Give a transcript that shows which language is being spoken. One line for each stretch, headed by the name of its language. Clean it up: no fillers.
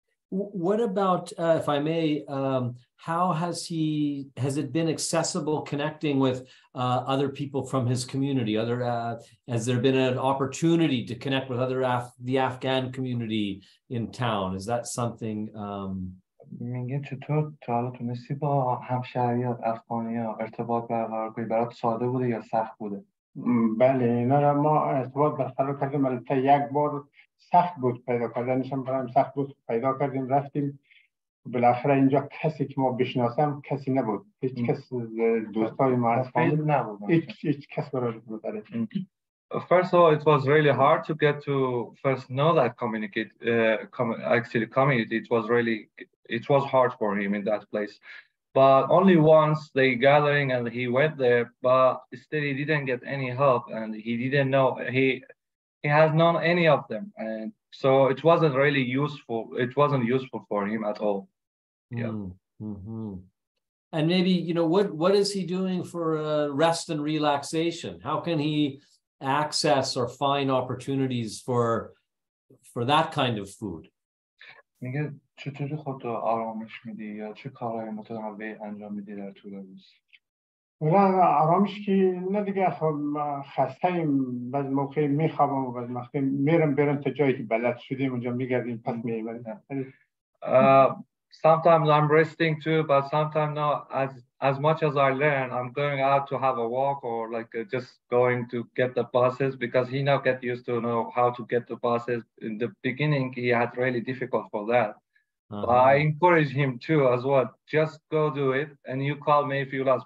English: What about, if I may, how has it been accessible connecting with other people from his community? Has there been an opportunity to connect with the Afghan community in town? Is that something
Persian: میگه چطور تا حالا تونستی با همشهریات افغانی ها ارتباط برقرار کنی؟ برات ساده بوده یا سخت بوده؟ بله اینا را ما ارتباط برقرار کردیم، البته یک بار سخت بود پیدا کردنش، هم برام سخت بود پیدا کردیم رفتیم. بالاخره اینجا کسی که ما بشناسم کسی نبود، هیچ کس دوستای ما افغانی نبود، هیچ کس برای بود.
English: First of all, it was really hard to get to first know that communicate actually community. It was hard for him in that place. But only once they gathering and he went there, but still he didn't get any help and he didn't know he has known any of them. And so it wasn't really useful. It wasn't useful for him at all. And maybe, you know, what is he doing for rest and relaxation? How can he access or find opportunities for that kind of food?
Persian: میگه چطوری خود رو آرامش میدی یا چه کارهای متنوعی انجام میدی در طول روز؟ ولا آرامش که نه دیگه، خب خستیم، بعض موقع میخوابم و بعض وقت میرم برم تا جایی که بلد شدیم اونجا میگردیم پس میایم.
English: Sometimes I'm resting too, but sometimes not. As much as I learn, I'm going out to have a walk or like just going to get the buses, because he now get used to know how to get the buses. In the beginning, he had really difficult for that. Uh-huh. But I encourage him too as well. Just go do it and you call me if you lost.